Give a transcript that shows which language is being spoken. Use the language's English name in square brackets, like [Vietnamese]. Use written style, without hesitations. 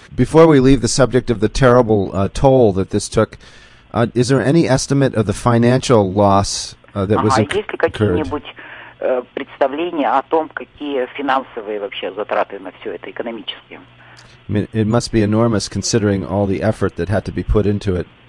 [English] Before we leave the subject of the terrible toll that this took, is there any estimate of the financial loss that was incurred? [Russian] Есть ли какие-нибудь представления о том, какие финансовые вообще затраты на все это, экономические? [English] I mean, it must be enormous considering all the effort that had to be put into it.